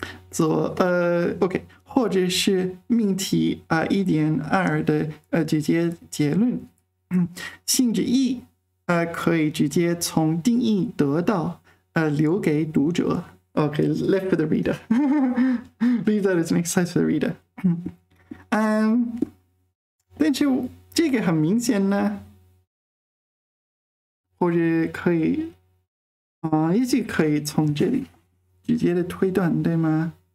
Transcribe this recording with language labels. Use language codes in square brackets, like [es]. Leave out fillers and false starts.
[zh] 做OK， 或者是命题1.2 的直接结论，性质一可以直接从定义得到留给读者。 [en] OK， left for the reader， leave that as an exercise for the reader。 [zh] 但是这个很明显呢，或者可以也许可以从这里直接的推断，对吗？